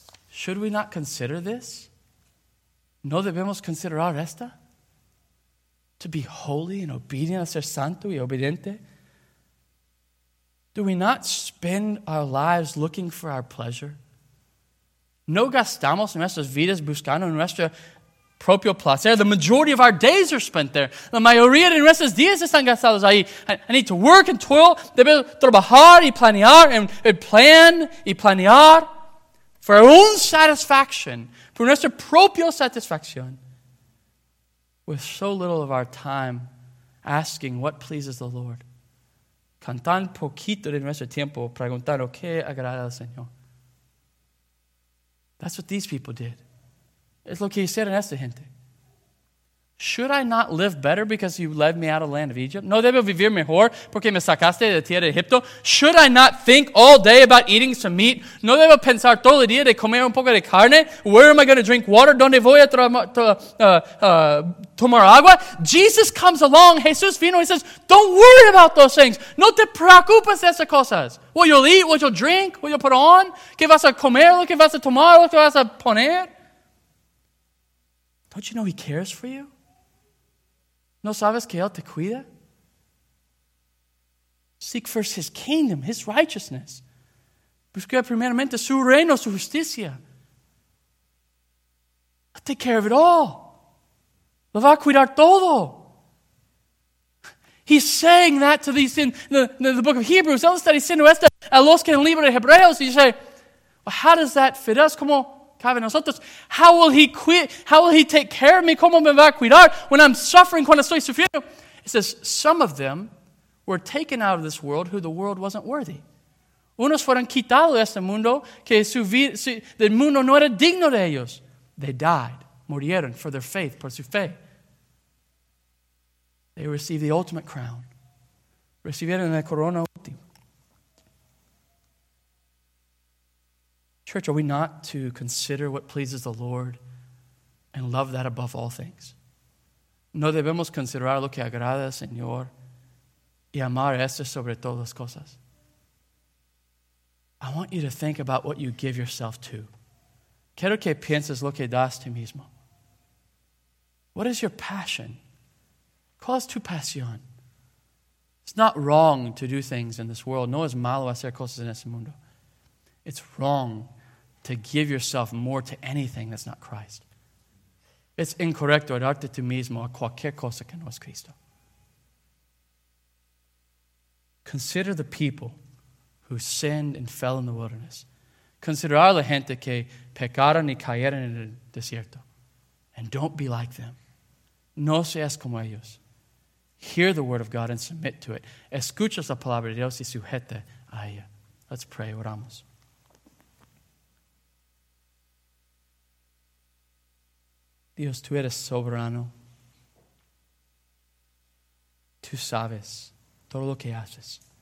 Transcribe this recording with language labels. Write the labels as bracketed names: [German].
[English] Should we not consider this? [Spanish] ¿No debemos considerar esta? [English] To be holy and obedient, [Spanish] a ser santo y obediente? [English] Do we not spend our lives looking for our pleasure? [Spanish] ¿No gastamos nuestras vidas buscando nuestro propio placer? [English] The majority of our days are spent there. [Spanish] La mayoría de nuestros días están gastados ahí. [English] I need to work and toil. [Spanish] Debo trabajar y planear [English] and plan [Spanish] y planear [English] for our own satisfaction. For [Spanish] nuestra propia satisfacción, [English] with so little of our time asking what pleases the Lord, [Spanish] con tan poquito de nuestro tiempo preguntando qué agrada al Señor. [English] That's what these people did. [Spanish] Es lo que hicieron esta gente. [English] Should I not live better because you led me out of the land of Egypt? [Spanish] No debo vivir mejor porque me sacaste de la tierra de Egipto. [English] Should I not think all day about eating some meat? [Spanish] No debo pensar todo el día de comer un poco de carne. [English] Where am I going to drink water? [Spanish] ¿Dónde voy a tomar agua? [English] Jesus comes along. [Spanish] Jesús vino y [English] says, don't worry about those things. [Spanish] No te preocupes de esas cosas. [English] What you'll eat, what you'll drink, what you'll put on. [Spanish] ¿Qué vas a comer? ¿Lo que vas a tomar? ¿Lo que vas a poner? [English] Don't you know he cares for you? [Spanish] ¿No sabes que Él te cuida? [English] Seek first His kingdom, His righteousness. [Spanish] Busca primeramente su reino, su justicia. [English] He'll take care of it all. [Spanish] Lo va a cuidar todo. [English] He's saying that to these in the book of Hebrews. [Spanish] Él está diciendo esto a los que en el libro de Hebreos. Y dice, [English] well, how does that fit us? [Spanish] ¿Cómo cabe nosotros? [English] How will he take care of me? [Spanish] ¿Cómo me va a cuidar [English] when I'm suffering, [Spanish] cuando estoy sufriendo? [English] It says, some of them were taken out of this world who the world wasn't worthy. [Spanish] Unos fueron quitados de este mundo que el mundo no era digno de ellos. [English] They died, [Spanish] murieron [English] for their faith, [Spanish] por su fe. [English] They received the ultimate crown. [Spanish] Recibieron la corona última. [English] Church, are we not to consider what pleases the Lord and love that above all things? [Spanish] No debemos considerar lo que agrada al Señor y amar esto sobre todas las cosas. [English] I want you to think about what you give yourself to. [Spanish] Quiero que pienses lo que das a ti mismo. [English] What is your passion? [Spanish] ¿Cuál es tu pasión? [English] It's not wrong to do things in this world. [Spanish] No es malo hacer cosas en este mundo. [English] It's wrong to give yourself more to anything that's not Christ. [Spanish] Es incorrecto darte tú mismo a cualquier cosa que no es Cristo. [English] Consider the people who sinned and fell in the wilderness. [Spanish] Consider la gente que pecaron y cayeron en el desierto. [English] And don't be like them. [Spanish] No seas como ellos. [English] Hear the word of God and submit to it. [Spanish] Escucha la palabra de Dios y sujeta a ella. [English] Let's pray, oramos. [Spanish] Dios, tú eres soberano. Tú sabes todo lo que haces.